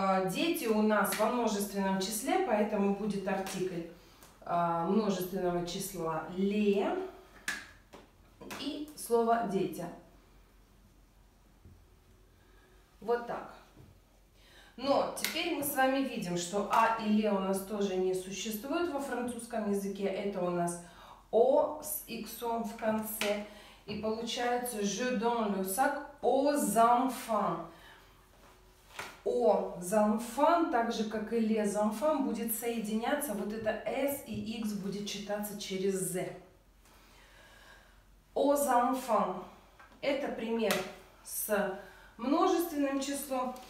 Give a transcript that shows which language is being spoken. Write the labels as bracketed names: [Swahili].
[Russian] Дети у нас во множественном числе, поэтому будет артикль множественного числа «ле» и слово «дети». Вот так. Но теперь мы с вами видим, что «а» и «ле» у нас тоже не существует во французском языке. Это у нас «о» с «иксом» в конце. И получается [French] «je donne le sac aux enfants». [Russian] «О» за «enfant», так же, как и «les enfants», будет соединяться. Вот это «s» и «x» будет читаться через «z». «О» за «enfant» – это пример с множественным числом.